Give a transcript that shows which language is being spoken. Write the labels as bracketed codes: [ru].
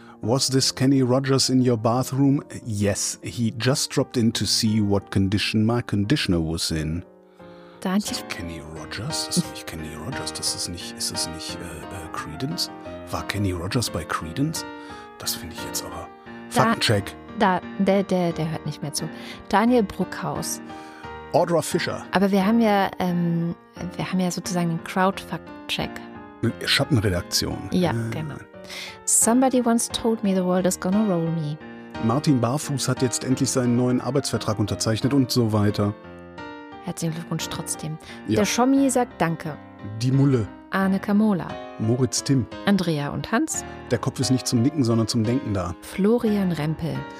[en] Was this Kenny Rogers in your bathroom? Yes, he just dropped in to see what condition my conditioner was in. [de] Daniel. Kenny Rogers? Das ist nicht Kenny Rogers. Ist das nicht Credence? War Kenny Rogers bei Credence? Das finde ich jetzt aber. Faktencheck. Der hört nicht mehr zu. Daniel Bruckhaus. Audra Fischer. Aber wir haben ja sozusagen einen Crowd-Faktencheck. Schattenredaktion. Ja, genau. [en] Somebody once told me the world is gonna roll me. [de] Martin Barfuß hat jetzt endlich seinen neuen Arbeitsvertrag unterzeichnet und so weiter. Herzlichen Glückwunsch trotzdem. Ja. Der Schommi sagt Danke. Die Mulle. Arne Kamola. Moritz Timm. Andrea und Hans. Der Kopf ist nicht zum Nicken, sondern zum Denken da. Florian Rempel.